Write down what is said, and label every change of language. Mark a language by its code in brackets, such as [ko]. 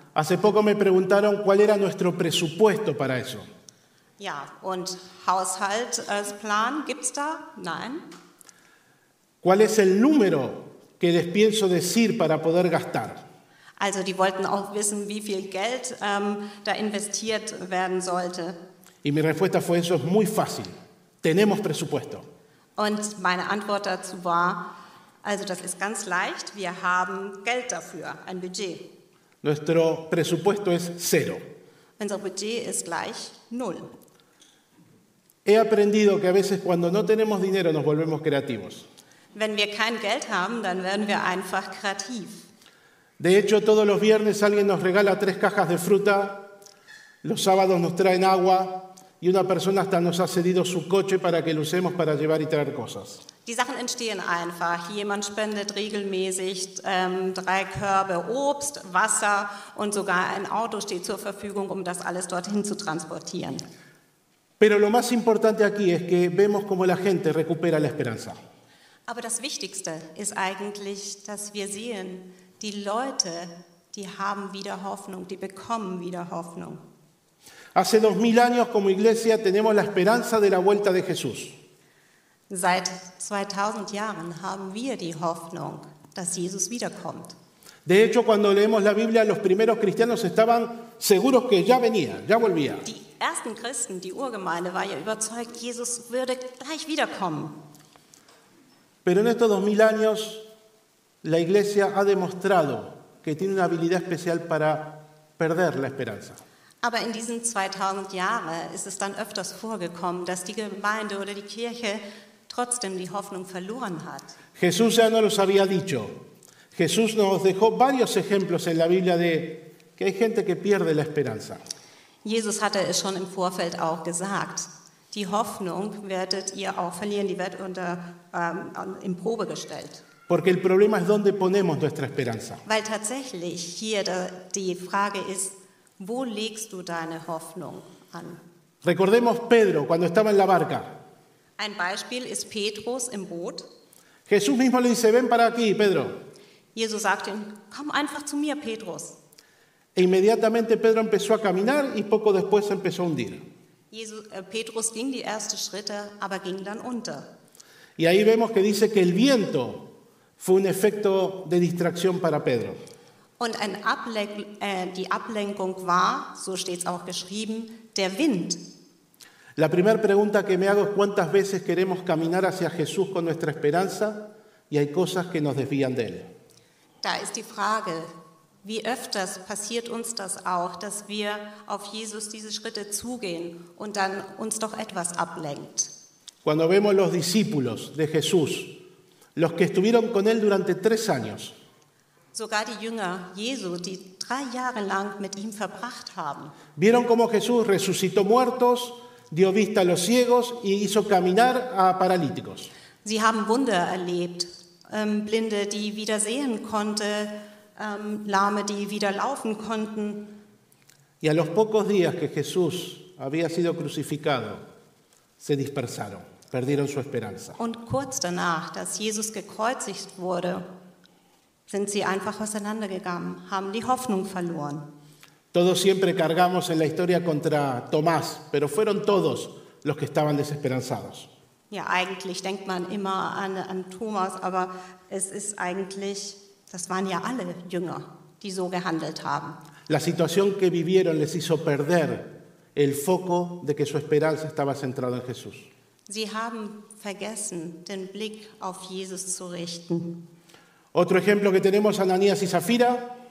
[es] Hace poco me preguntaron cuál era nuestro presupuesto para eso. [de] Ja, und Haushaltsplan gibt's da? Nein. [es] ¿Cuál es el número que les pienso decir para poder gastar? [de] Also die wollten auch wissen, wie viel Geld da investiert werden sollte. [es] Y mi respuesta fue, eso es muy fácil. Tenemos presupuesto. [de] Und meine Antwort dazu war, also das ist ganz leicht, wir haben Geld dafür, ein Budget. [es] Nuestro presupuesto es cero. [de] Unser Budget ist gleich null. [es] He aprendido que a veces cuando no tenemos dinero nos volvemos creativos. [de] Wenn wir kein Geld haben, dann werden wir einfach kreativ. [es] De hecho, todos los viernes alguien nos regala 3 cajas de fruta, los sábados nos traen agua y una persona hasta nos ha cedido su coche para que lo usemos para llevar y traer cosas. [de] Die Sachen entstehen einfach. Jemand spendet regelmäßig 3 Körbe Obst, Wasser und sogar ein Auto steht zur Verfügung, um das alles dorthin zu transportieren. [es] Pero lo más importante aquí es que vemos cómo la gente recupera la esperanza. [de] Aber das Wichtigste ist eigentlich, dass wir sehen, die Leute, die haben wieder Hoffnung, die bekommen wieder Hoffnung. [es] Hace 2000 años como iglesia tenemos la esperanza de la vuelta de Jesús. [de] Seit 2000 Jahren haben wir die Hoffnung, dass Jesus wiederkommt. [es] De hecho, cuando leemos la Biblia, los primeros cristianos estaban seguros que ya venía, ya volvía. [de] Die ersten Christen, die Urgemeinde, war ja überzeugt, Jesus würde gleich wiederkommen. [es] Pero en estos 2000 años la iglesia ha demostrado que tiene una habilidad especial para perder la esperanza. [de] Aber in diesen 2000 Jahren ist es dann öfters vorgekommen, dass die Gemeinde oder die Kirche trotzdem die Hoffnung verloren hat. [es] Jesús ya no los había dicho. Jesús nos dejó varios ejemplos en la Biblia de que hay gente que pierde la esperanza. [de] Jesus hatte es schon im Vorfeld auch gesagt. Die Hoffnung werdet ihr auch verlieren, die wird unter in Probe gestellt. [es] Porque el problema es dónde ponemos nuestra esperanza. [de] Weil tatsächlich hier die Frage ist, wo legst du deine Hoffnung an? [es] Recordemos Pedro cuando estaba en la barca. [de] Ein Beispiel ist Petrus im Boot. [es] Jesús mismo le dice, ven para aquí, Pedro. [de] Jesus sagt ihm, komm einfach zu mir, Petrus. [es] E inmediatamente Pedro empezó a caminar y poco después empezó a hundir. [de] Petrus ging die ersten Schritte, aber ging dann unter. [es] Y ahí vemos que dice que el viento fue un efecto de distracción para Pedro. [de] Und ein die Ablenkung war, so steht es auch geschrieben, der Wind. [es] La primera pregunta que me hago es cuántas veces queremos caminar hacia Jesús con nuestra esperanza y hay cosas que nos desvían de él. [de] Da ist die Frage, wie öfters passiert uns das auch, dass wir auf Jesus diese Schritte zugehen und dann uns doch etwas ablenkt. [es] Cuando vemos los discípulos de Jesús, los que estuvieron con él durante 3 años. [de] Sogar die Jünger Jesu, die 3 Jahre lang mit ihm verbracht haben. [es] Vieron cómo Jesús resucitó muertos, dio vista a los ciegos y hizo caminar a paralíticos. [de] Sie haben Wunder erlebt, Blinde, die wieder sehen konnte, Lahme, die wieder laufen konnten. [es] Y a los pocos días que Jesús había sido crucificado, se dispersaron, perdieron su esperanza. [de] Und kurz danach, dass Jesus gekreuzigt wurde, sind sie einfach auseinandergegangen, haben die Hoffnung verloren. [es] Todos siempre cargamos en la historia contra Tomás, pero fueron todos los que estaban desesperanzados. [de] Ja, eigentlich denkt man immer an Thomas, aber es ist eigentlich, das waren ja alle Jünger, die so gehandelt haben. [es] La situación que vivieron les hizo perder el foco de que su esperanza estaba centrada en Jesús. [de] Sie haben vergessen, den Blick auf Jesus zu richten. [es] Otro ejemplo que tenemos, Ananías y Safira.